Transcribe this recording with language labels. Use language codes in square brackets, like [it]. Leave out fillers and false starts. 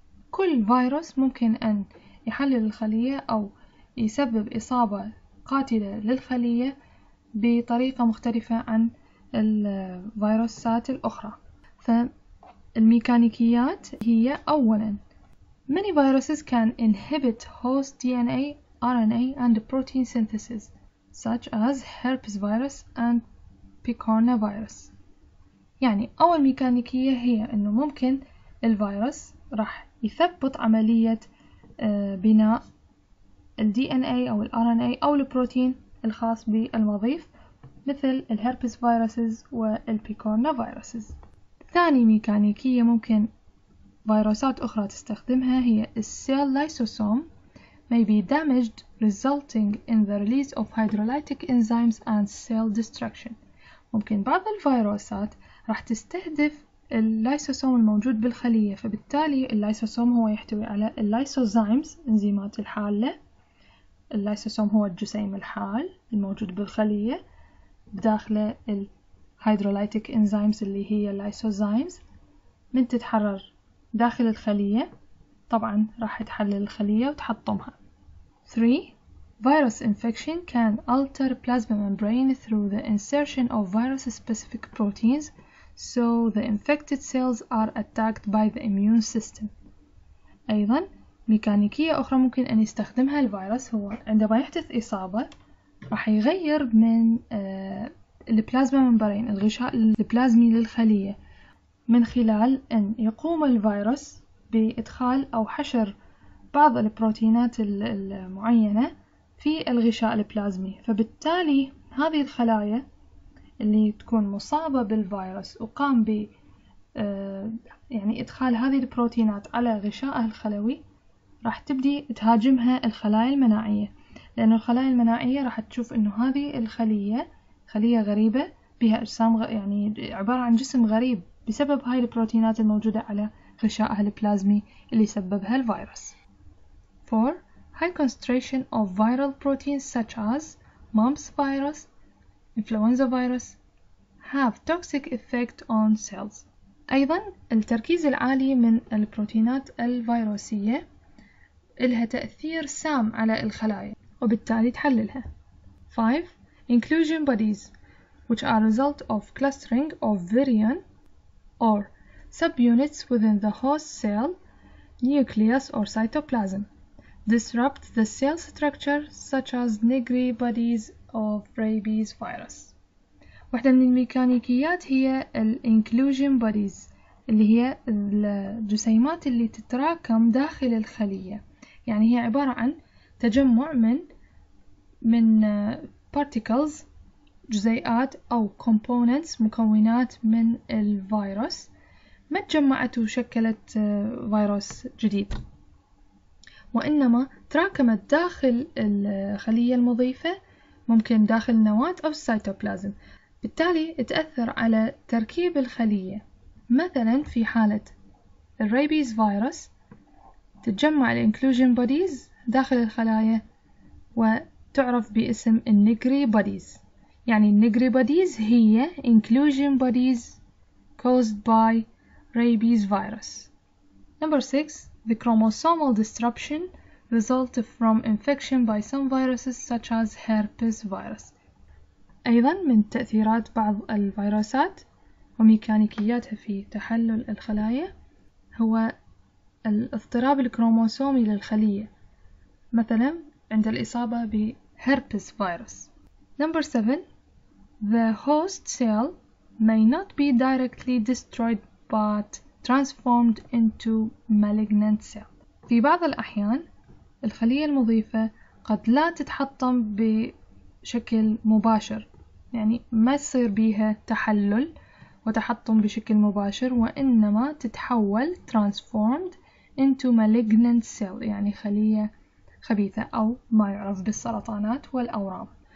[ar] كل فيروس ممكن أن يحلل الخلية أو يسبب إصابة قاتلة للخلية بطريقة مختلفة عن الفيروسات الأخرى. فالميكانيكيات هي أولاً: [en] Many viruses can inhibit host DNA, RNA and protein synthesis such as herpes virus and picornavirus. [ar] يعني أول ميكانيكية هي أنه ممكن الفيروس راح يثبط عملية بناء الـ DNA أو الـ RNA أو البروتين الخاص بالوظيف مثل الهربس فيروسز والبيكورنا فيروسز. ثاني ميكانيكية ممكن فيروسات أخرى تستخدمها هي السيل لايسوسوم [en] may be damaged resulting in the release of hydrolytic enzymes and cell destruction. [ar] ممكن بعض الفيروسات راح تستهدف اللايسوسوم الموجود بالخلية، فبالتالي اللايسوسوم هو يحتوي على اللايسوزايمز انزيمات الحالة. اللايسوسوم هو الجسيم الحال الموجود بالخلية بداخله الهيدرولايتيك انزيمز اللي هي اللايسوزايمز. من تتحرر داخل الخلية طبعا راح تحلل الخلية وتحطمها. [en] 3. Virus infection can alter plasma membrane through the insertion of virus specific proteins so the infected cells are attacked by the immune system. [ar] أيضا ميكانيكية أخرى ممكن أن يستخدمها الفيروس هو عندما يحدث إصابة راح يغير من البلازما ممبرين الغشاء البلازمي للخلية من خلال أن يقوم الفيروس بإدخال أو حشر بعض البروتينات المعينة في الغشاء البلازمي، فبالتالي هذه الخلايا اللي تكون مصابة بالفيروس وقام ب يعني إدخال هذه البروتينات على غشائها الخلوي راح تبدي تهاجمها الخلايا المناعية، لأن الخلايا المناعية راح تشوف إنه هذه الخلية خلية غريبة بها أجسام يعني عبارة عن جسم غريب بسبب هاي البروتينات الموجودة على غشائها البلازمي اللي سببها الفيروس. [en] 4. High concentration of viral proteins such as mumps virus, influenza virus have toxic effect on cells. [ar] أيضا التركيز العالي من البروتينات الفيروسية إلها تأثير سام على الخلايا وبالتالي تحللها. [en] 5. Inclusion bodies which are a result of clustering of virion or subunits within the host cell nucleus or cytoplasm disrupt the cell structure such as Negri bodies of rabies virus. [ar] واحدة من الميكانيكيات هي الـ inclusion bodies اللي هي الجسيمات اللي تتراكم داخل الخلية، يعني هي عبارة عن تجمع من particles جزيئات أو components مكونات من الفيروس ما تجمعت وشكلت فيروس جديد وإنما تراكمت داخل الخلية المضيفة ممكن داخل نواة أو السيتوبلازم بالتالي تأثر على تركيب الخلية. مثلا في حالة الرابيز فيروس تتجمع الانكلوجين بوديز داخل الخلايا وتعرف باسم النيجري بوديز، يعني النيجري بوديز هي انكلوجين بوديز [en] caused by rabies virus. Number 6. The chromosomal disruption resulted from infection by some viruses such as herpes virus. [ar] أيضا من تأثيرات بعض الفيروسات وميكانيكياتها في تحلل الخلايا هو الاضطراب الكروموسومي للخلية مثلا عند الإصابة بهربس فيروس. [en] Number 7. The host cell may not be directly destroyed but transformed into malignant cell. [ar] في بعض الأحيان الخلية المضيفة قد لا تتحطم بشكل مباشر، يعني ما يصير بيها تحلل وتحطم بشكل مباشر وإنما تتحول [en] transformed into malignant cell، [ar] يعني خلية خبيثة أو ما يعرف بالسرطانات والأورام.